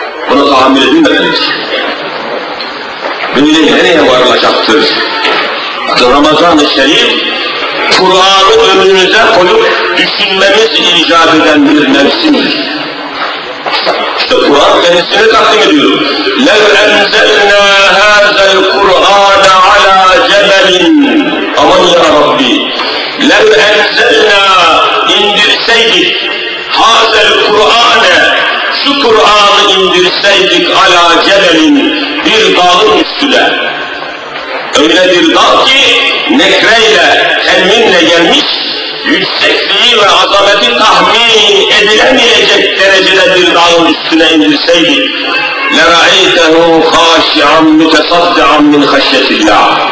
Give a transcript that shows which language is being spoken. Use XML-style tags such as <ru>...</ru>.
<tr>Bunu tahammül edinmediniz. Dünya nereye varılacaktır? Ramazan-ı Şerif, Kur'an'ı önünüze koyup düşünmemiz icap eden bir mevsimdir. İşte Kur'an kendisini takdim ediyor.</tr> <ar>لَوْ اَنْزَلْنَا هَذَا الْقُرْآنَ عَلَى جَبَلٍ</ar> <tr>Aman ya Rabbi!</tr> <ar>لَوْ اَنْزَلْنَا</ar> <tr>indirseydik</tr> <ar>هَذَا الْقُرْآنَ</ar> <tr>Şu Kur'an'ı indirseydik</tr> <ar>عَلَى جَبَلٍ</ar> <tr>Bir dağın üstüne. Öyle bir dağ ki nekreyle, telminle gelmiş, yüksekliği ve azameti tahmin edilemeyecek derecede bir dağın üstüne indirseydi,</tr> <ar>لَرَعَيْتَهُ خَاشِعًا مُتَصَدِّعًا مِنْ خَشْيَةِ اللّٰهِ</ar>